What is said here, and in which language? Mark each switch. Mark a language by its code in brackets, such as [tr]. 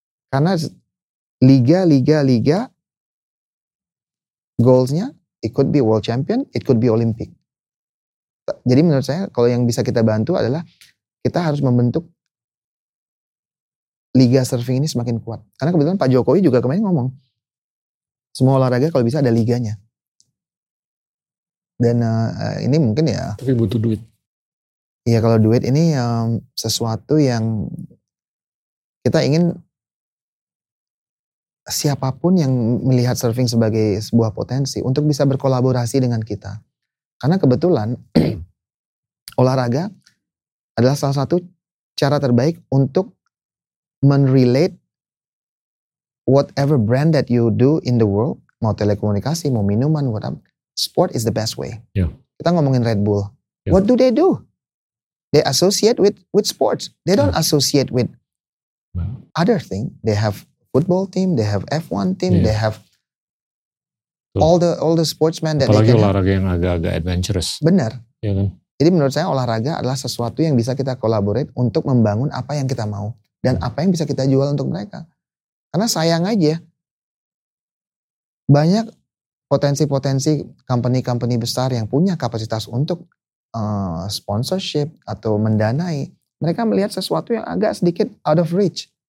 [id] Karena liga, goalsnya [en] it could be world champion, it could be Olympic. [id] Jadi menurut saya kalau yang bisa kita bantu adalah kita harus membentuk liga surfing ini semakin kuat. Karena kebetulan Pak Jokowi juga kemarin ngomong. Semua olahraga kalau bisa ada liganya. Dan ini mungkin ya. Tapi butuh duit. Iya, kalau duit ini sesuatu yang kita ingin siapapun yang melihat surfing sebagai sebuah potensi untuk bisa berkolaborasi dengan kita. Karena kebetulan olahraga adalah salah satu cara terbaik untuk men-relate [en] whatever brand that you do in the world, [id] mau telekomunikasi, mau minuman, whatever, [en] sport is the best way. Yeah. [id] Kita ngomongin [en] Red Bull. Yeah. What do they do? They associate with sports. They don't associate with other thing. They have football team, they have F1 team, they have all the sportsmen that [id] apalagi [en] they can [id] olahraga yang agak-agak adventurous. Benar. Iya kan? Jadi menurut saya olahraga adalah sesuatu yang bisa kita collaborate untuk membangun apa yang kita mau dan apa yang bisa kita jual untuk mereka. Karena sayang aja banyak potensi-potensi company-company besar yang punya kapasitas untuk sponsorship atau mendanai, mereka melihat sesuatu yang agak sedikit [en] out of reach.